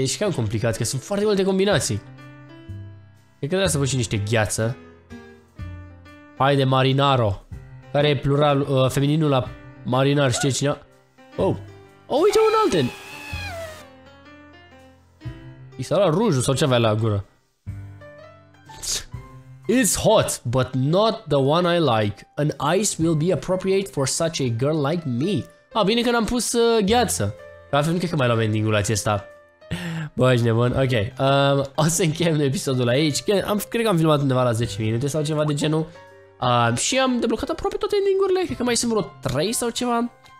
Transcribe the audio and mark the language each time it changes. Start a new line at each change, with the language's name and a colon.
Romanian: E și cam complicat, că sunt foarte multe combinații. Cred că trebuie să pun și niște gheață. Hai de marinaro. Care e plural, femininul la marinar, știe cine? Oh. Oh, uite un alt ending. I s-a luat rujul sau ce avea la gură.
English: It's hot, but not the one I like. An ice will be appropriate for such a girl like me.
Romanian: A, bine că n-am pus gheață. Altfel nu cred că mai luăm ending-ul acesta. Băi, nebun, ok. O să încheiem episodul aici. Cred că am filmat undeva la 10 minute sau ceva de genul. Și am deblocat aproape toate endingurile. Cred că mai sunt vreo 3 sau ceva.